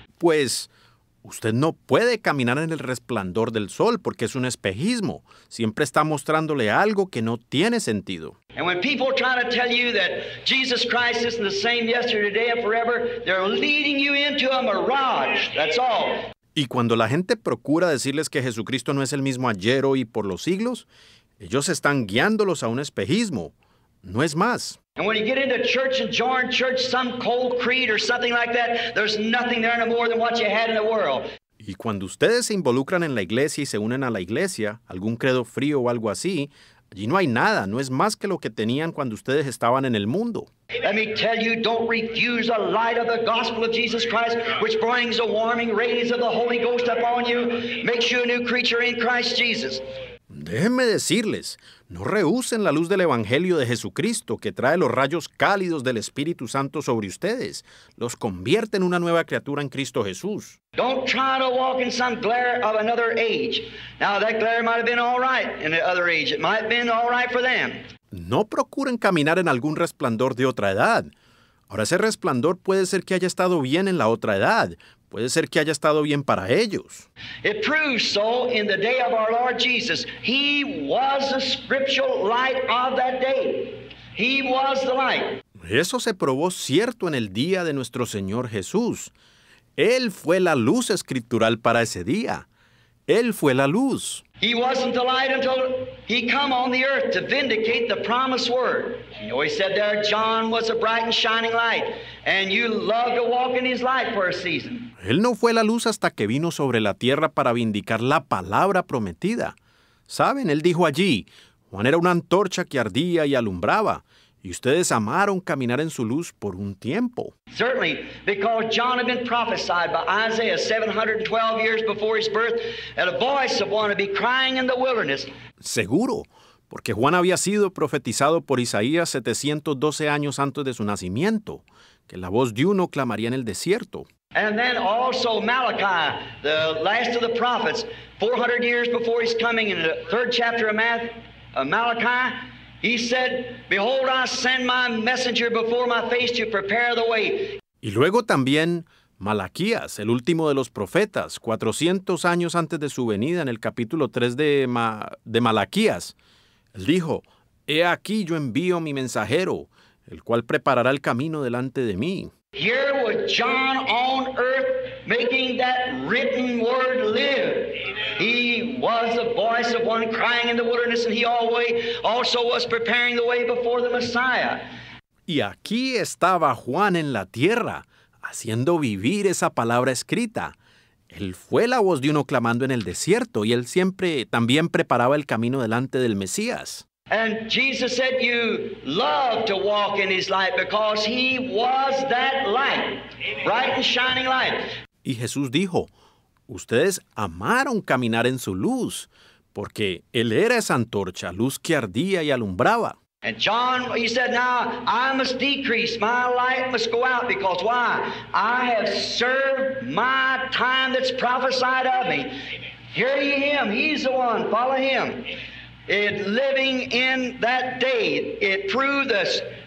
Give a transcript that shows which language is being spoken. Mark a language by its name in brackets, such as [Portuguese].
[Spanish] Pues, usted no puede caminar en el resplandor del sol porque es un espejismo. Siempre está mostrándole algo que no tiene sentido. [English] And when people try to tell you that Jesus Christ isn't the same yesterday, today, and forever, they're leading you into a mirage. That's all. [Spanish] Y cuando la gente procura decirles que Jesucristo no es el mismo ayer, hoy y por los siglos, ellos están guiándolos a un espejismo. No es más. [English] And when you get into church and join church, some cold creed or something like that, there's nothing there no more than what you had in the world. [Spanish] Y cuando ustedes se involucran en la iglesia y se unen a la iglesia, algún credo frío o algo así, allí no hay nada. No es más que lo que tenían cuando ustedes estaban en el mundo. [English] Let me tell you, don't refuse the light of the gospel of Jesus Christ, which brings the warming rays of the Holy Ghost upon you, makes you a new creature in Christ Jesus. [Spanish] Déjenme decirles, no rehúsen la luz del Evangelio de Jesucristo que trae los rayos cálidos del Espíritu Santo sobre ustedes. Los convierte en una nueva criatura en Cristo Jesús. [English] Don't try to walk in some glare of another age. Now that glare might have been all right in the other age. It might have been all right for them. [Spanish] No procuren caminar en algún resplandor de otra edad. Ahora ese resplandor puede ser que haya estado bien en la otra edad. Puede ser que haya estado bien para ellos. [English] It proves so in the day of our Lord Jesus. He was the scriptural light of that day. He was the light. [Spanish] Eso se probó cierto en el día de nuestro Señor Jesús. Él fue la luz escritural para ese día. Él fue la luz. [English] He wasn't the light until he come on the earth to vindicate the promised word. You know, he said there, John was a bright and shining light, and you love to walk in his light for a season. [Spanish] Él no fue la luz hasta que vino sobre la tierra para vindicar la palabra prometida. ¿Saben? Él dijo allí, Juan era una antorcha que ardía y alumbraba, y ustedes amaron caminar en su luz por un tiempo. [English] Certainly, because John had been prophesied by Isaiah 712 years before his birth at a voice of one to be crying in the wilderness. [Spanish] Seguro, porque Juan había sido profetizado por Isaías 712 años antes de su nacimiento, que la voz de uno clamaría en el desierto. [English] And then also Malachi, the last of the prophets, 400 years before his coming in the third chapter of Malachi, he said, "Behold, I send my messenger before my face to prepare the way." [Spanish] Y luego también Malaquías, el último de los profetas, 400 años antes de su venida, en el capítulo 3 de Malaquías, él dijo, "He aquí yo envío mi mensajero, el cual preparará el camino delante de mí." [English] Here was John on earth making that written word live. He was the voice of one crying in the wilderness, and he also was preparing the way before the Messiah. [Spanish] Y aquí estaba Juan en la tierra, haciendo vivir esa palabra escrita. Él fue la voz de uno clamando en el desierto, y él siempre también preparaba el camino delante del Mesías. [English] And Jesus said, "You love to walk in his light because he was that light, bright and shining light." [Spanish] Y Jesús dijo, ustedes amaron caminar en su luz, porque él era esa antorcha, luz que ardía y alumbraba. [English] And John, he said, "Now I must decrease, my light must go out, because why? I have served my time that's prophesied of me." Hear ye him, he's the one, follow him. It living in that day, it proved us.